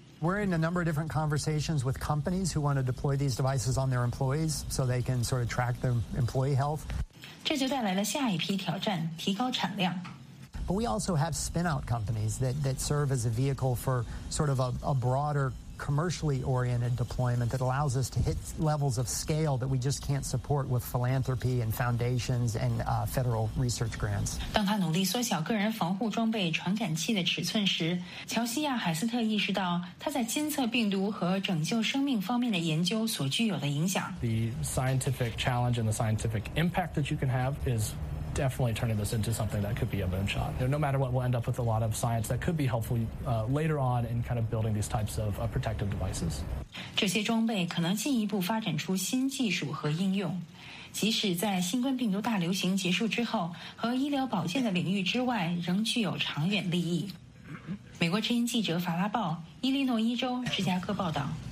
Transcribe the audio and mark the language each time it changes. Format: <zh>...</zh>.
<en>We're in a number of different conversations with companies who want to deploy these devices on their employees so they can sort of track their employee health.</en> <zh>这就带来了下一批挑战，提高产量。</zh> <en>But we also have spin-out companies that serve as a vehicle for sort of a broader commercially oriented deployment that allows us to hit levels of scale that we just can't support with philanthropy and foundations and federal research grants.</en> <zh>当他努力缩小个人防护装备传感器的尺寸时，乔西亚·海斯特意识到他在监测病毒和拯救生命方面的研究所具有的影响。</zh> <en>The scientific challenge and the scientific impact that you can have is definitely turning this into something that could be a moonshot. No matter what, we'll end up with a lot of science that could be helpful later on in kind of building these types of protective devices.</en> <zh>这些装备可能进一步发展出新技术和应用，即使在新冠病毒大流行结束之后，和医疗保健的领域之外，仍具有长远利益。美国之音记者法拉报，伊利诺伊州芝加哥报道。</zh>